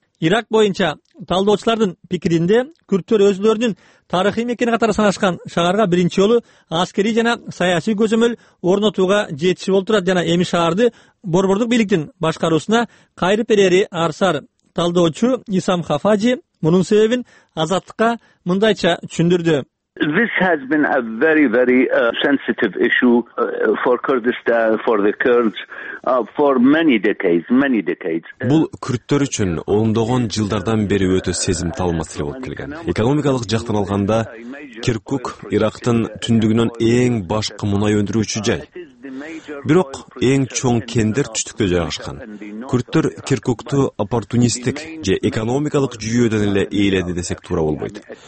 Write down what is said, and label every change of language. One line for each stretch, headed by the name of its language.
Kyrgyz: Ирак боюнча талдоочулардын пикиринде күрдтөр өзүлөрүнүн тарыхый мекени катары санашкан шаарга биринчи жолу аскерий жана саясий көзөмөл орнотууга жетиши болуп турат жана эми шаарды борбордук бийликтин башкаруусуна кайрып берери арсар. Талдоочу Исам Хафаджи мунун себебин азаттыкка мындайча түшүндүрдү.
English: This has been a very sensitive issue for Kurdistan, for the Kurds, for many decades.
Kyrgyz: Бул күрдтөр үчүн ондогон жылдардан бери өтө сезимтал маселе болуп келген. Экономикалык жактан алганда, Киркук Ирактын түндүгүнөн эң башкы мунай өндүрүүчү жай. Бирок эң чоң кендер түштүктө жайгашкан. Күрдтөр Киркукту оппортунисттик же экономикалык жүйөдөн эле ээледи десек туура болбойт.